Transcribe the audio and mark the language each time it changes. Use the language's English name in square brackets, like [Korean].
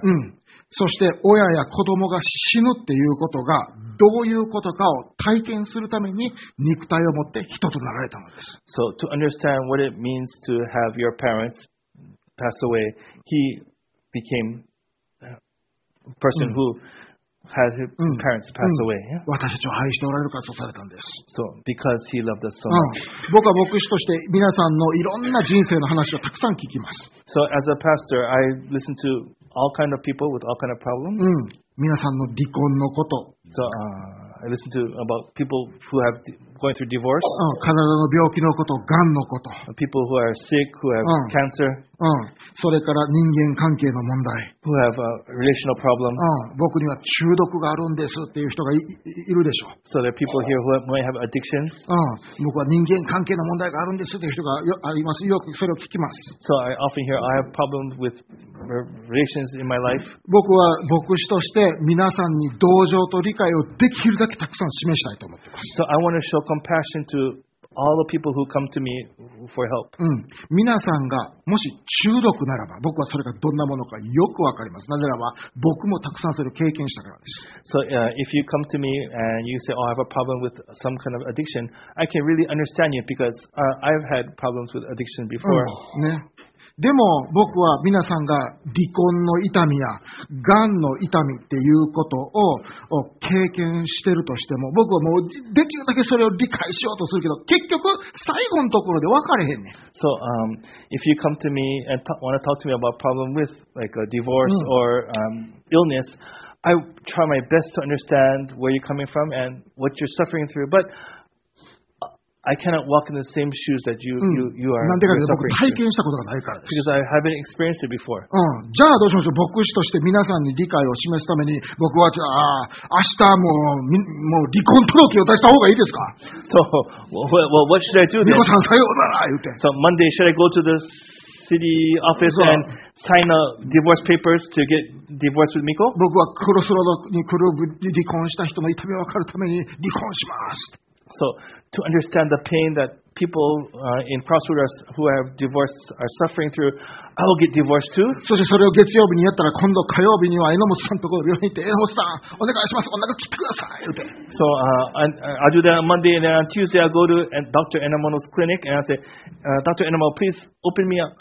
[Japanese] うん。そして親や子供が死ぬっていうことがどういうことかを体験するために肉体を持って人となられたのです。 [English] So, to understand what it means to have your parents pass away, he became a person who had his parents pass away. [Japanese] 私たちを愛しておられるからそうされたんです。 [English] So, because he loved us so much. [Japanese] 僕は牧師として皆さんのいろんな人生の話をたくさん聞きます。 [English] So, as a pastor, I listen to all kind of people with all kind of problems. [Japanese] 皆さんの離婚のこと。 [English] So, I listen to about people who have going through divorce. [Japanese] 体の病気のこと、がんのこと。 [English] People who are sick, who have cancer. [Japanese] それから人間関係の問題。 [English] Who have relational problems. [Japanese] 僕には中毒があるんですっていう人が いるでしょう。 [English] So there are people here who might have addictions. [Japanese] 僕は人間関係の問題があるんですっていう人がいます。よくそれを聞きます。 [English] So I often hear I have problems with relations in my life. [Japanese] 僕は牧師として皆さんに同情と理解をできるだけたくさん示したいと思っています。 [English] So I want to show compassion to all the people who come to me for help. [Japanese] 皆さんがもし中毒ならば、僕はそれがどんなものかよくわかります。なぜならば、僕もたくさんそれを経験したからです。 [English] So, if you come to me and you say, oh, I have a problem with some kind of addiction, I can really understand you because, I've had problems with addiction before. [Japanese] ね。でも僕は皆さんが離婚の痛みやがんの痛みっていうことを経験してるとしても、僕はもうできるだけそれを理解しようとするけど、結局最後のところで分かれへんねん。 [English] So, if you come to me and want to talk to me about problem with like a divorce or illness, I try my best to understand where you're coming from and what you're suffering through, but I cannot walk in the same shoes that you are suffering. [Japanese] なんでかというと僕体験したことがないからです。 [English] Because I haven't experienced it before. [Japanese] じゃあどうしましょう。牧師として皆さんに理解を示すために僕はじゃあ明日もう離婚届を出した方がいいですか。 [English] So, well, what should I do then? [Japanese] 離婚さんさようなら言うて。 [English] So Monday, should I go to the city office and sign the divorce papers to get divorced with Miko? [Japanese] 僕はクロスロードに来る離婚した人の痛みを分かるために離婚します。 [English] So, to understand the pain that people in Crossroads who have divorced are suffering through, I will get divorced too. [Japanese] そしてそれを月曜日にやったら、今度火曜日には榎本さんのところに行って、榎本さん、お願いします、お腹切ってください。 [English] So, I do that on Monday, and then on Tuesday I go to Dr. Enomono's clinic, and I say, Dr. Enomono, please open me up.